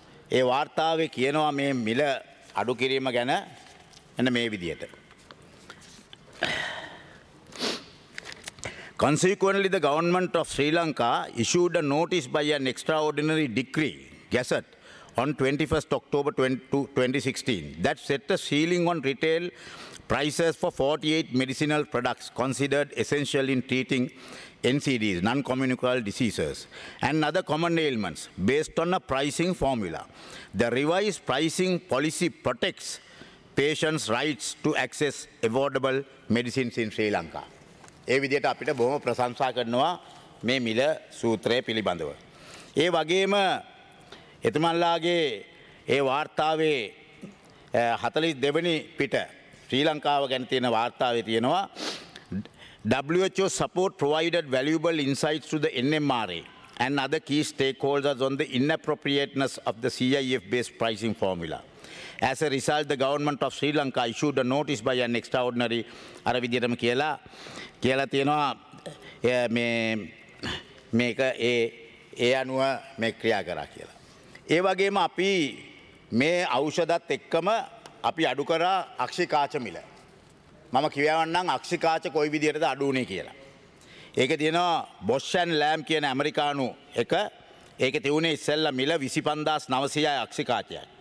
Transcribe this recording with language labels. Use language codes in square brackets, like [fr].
[si] ඒ වාර්තාවේ කියනවා මේ මිල අඩු කිරීම ගැන එන මේ විදිහට. [en] Consequently, the government of Sri Lanka issued a notice by an extraordinary decree, gazette, on 21st October 2016 that set a ceiling on retail prices for 48 medicinal products considered essential in treating NCDs, non-communicable diseases, and other common ailments based on a pricing formula. The revised pricing policy protects patients' rights to access affordable medicines in Sri Lanka. [si] ඒ විදිහට අපිට බොහොම ප්‍රශංසා කරනවා මේ මිල සූත්‍රය පිළිබඳව. ඒ වගේම එතුමන්ලාගේ ඒ වාර්තාවේ 42 වෙනි පිට ශ්‍රී ලංකාව ගැන තියෙන වාර්තාවේ තියෙනවා [en] WHO support provided valuable insights to the NMRA and other key stakeholders on the inappropriateness of the CIF-based pricing formula. As a result, the government of Sri Lanka issued a notice by an extraordinary [si] අර විදිහටම කියලා තියෙනවා මේ මේක ඒ අනුව මේ ක්‍රියා කරා කියලා. ඒ වගේම අපි මේ ඖෂධත් එක්කම අපි අඩු කරා අක්ෂිකාච මිල. මම කියවන්නම් අක්ෂිකාච කොයි විදිහටද අඩු වුනේ කියලා. ඒක තියෙනවා බොෂන් ලෑම් කියන ඇමරිකානු එක. ඒක තියුනේ ඉස්සෙල්ලා මිල 25,900යි අක්ෂිකාචයයි.